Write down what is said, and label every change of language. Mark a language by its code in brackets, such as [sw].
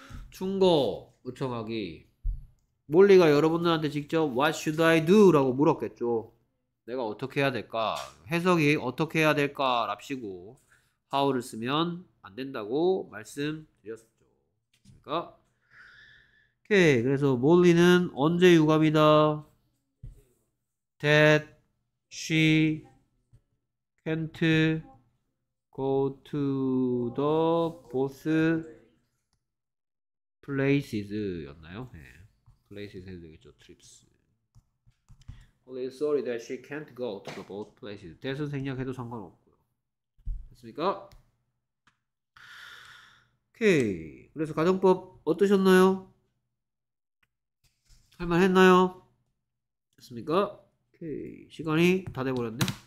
[ko] 충고 요청하기. 몰리가 여러분들한테 직접 [en] What should I do? [ko] 라고 물었겠죠. 내가 어떻게 해야 될까? 해석이 어떻게 해야 될까? 랍시고 How를 쓰면 안 된다고 말씀드렸었죠. 그러니까 오케이, 그래서 몰리는 언제 유감이다? [en] That she can't go to the both places [ko] 였나요? 네. [en] Places [ko] 해도 되겠죠. Trips. [en] Molly is sorry that she can't go to the both places. [ko] 대선 생략해도 상관없고요. 됐습니까? 오케이. 그래서 가정법 어떠셨나요? 할만했나요? 됐습니까? 오케이. 시간이 다 돼버렸네.